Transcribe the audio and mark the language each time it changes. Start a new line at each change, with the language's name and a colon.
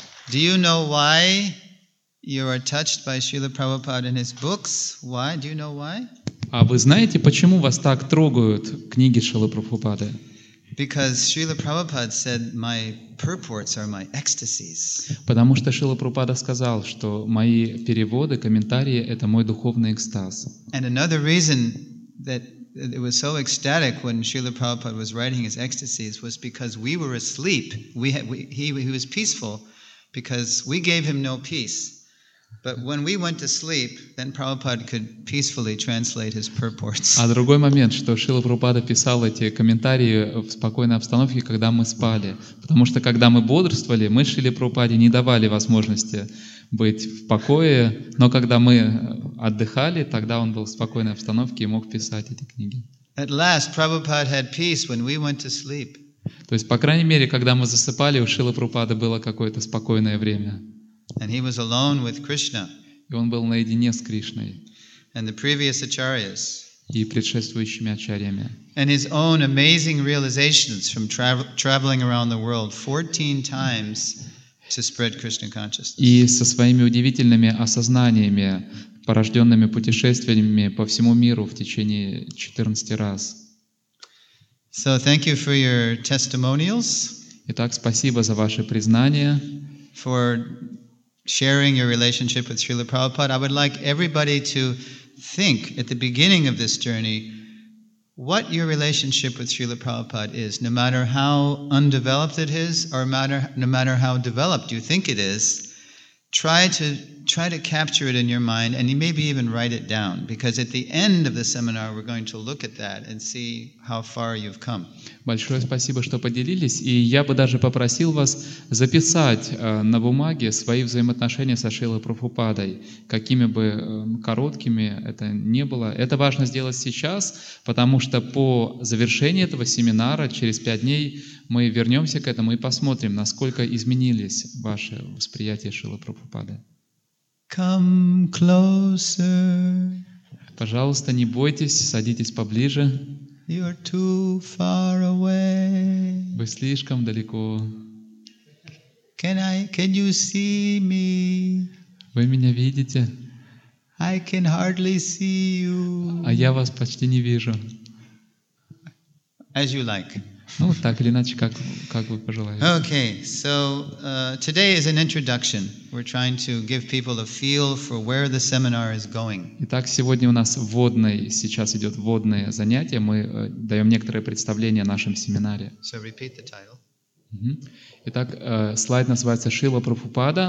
English: Do you know why you are touched by Srila Prabhupada and his books? Why? Do you know why?
Russian: А вы знаете, почему вас так трогают книги Шрилы Прабхупады?
English: Because Srila Prabhupada said, my purports are my ecstasies.
Russian: Потому что Шрила Прабхупада сказал, что мои переводы, комментарии — это мой духовный экстаз.
English: And another reason that it was so ecstatic when Srila Prabhupada was writing his ecstasies was because we were asleep. He was peaceful because we gave him no peace. But when we went to sleep, then Prabhupada could peacefully translate his purports.
Russian: А другой момент, что Шрила Прабхупада писал эти комментарии в спокойной обстановке, когда мы спали. Потому что когда мы бодрствовали, мы Шриле Прабхупаде не давали возможности быть в покое. Но когда мы отдыхали, тогда он был в спокойной обстановке и мог писать эти книги.
English: At last, Prabhupada had peace when we went to sleep.
Russian: То есть, по крайней мере, когда мы засыпали, у Шрилы Прабхупады было какое-то спокойное время.
English: And he was alone with Krishna.
Russian: И он был наедине с Кришной.
English: And the previous acharyas.
Russian: И предшествующими ачарьями.
English: And his own amazing realizations from traveling around the world 14 times to spread Krishna consciousness.
Russian: И со своими удивительными осознаниями, порожденными путешествиями по всему миру в течение 14 раз.
English: So thank you for your testimonials.
Russian: Итак, спасибо за ваши признания.
English: For sharing your relationship with Srila Prabhupada, I would like everybody to think at the beginning of this journey what your relationship with Srila Prabhupada is, no matter how undeveloped it is, or no matter how developed you think it is. Try to try to capture it in your mind, and you maybe even write it down, because at the end of the seminar we're going to look at that and see how far you've come.
Russian: Большое спасибо, что поделились, и я бы даже попросил вас записать на бумаге свои взаимоотношения со Шрилой Прабхупадой, какими бы короткими это ни было. Это важно сделать сейчас, потому что по завершении этого семинара через 5 дней мы вернемся к этому и посмотрим, насколько изменились ваши восприятия Шрилы Прабхупады.
English: Come closer.
Russian: Пожалуйста, не бойтесь, садитесь поближе.
English: You're too far away.
Russian: Вы слишком далеко.
English: Can you see me?
Russian: Вы меня видите?
English: I can hardly see you.
Russian: А я вас почти не вижу.
English: As you like.
Russian: Ну, так или иначе, как вы пожелаете.
English: Okay, so today is an introduction. We're trying to give people a feel for where the seminar is going.
Russian: Итак, сегодня у нас вводное, сейчас идет вводное занятие. Мы даем некоторое представление о нашем семинаре.
English: So repeat the title.
Russian: Итак, слайд называется «Шрила Прабхупада.